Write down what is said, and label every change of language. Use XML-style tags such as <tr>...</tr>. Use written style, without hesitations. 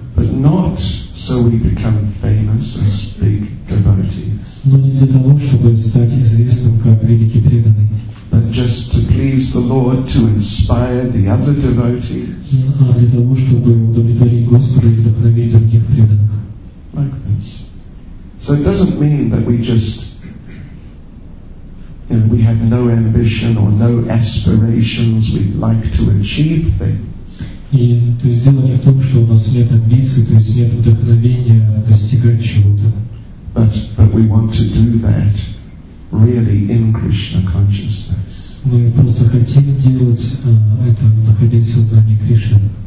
<en>But not so we become famous as big devotees.</en> <ru>Но не для того, чтобы стать известным как великий преданный.</ru> <en>But just to please the Lord, to inspire the other devotees.</en> <ru>А для того, чтобы удовлетворить Господа и вдохновить других преданных.</ru> <en>Like this. So it doesn't mean that we just we have no ambition or no aspirations, we'd like to achieve things. But we want to do that really in Krishna consciousness.</en> <ru>Мы просто хотим делать это, находясь в сознании Кришны.</ru>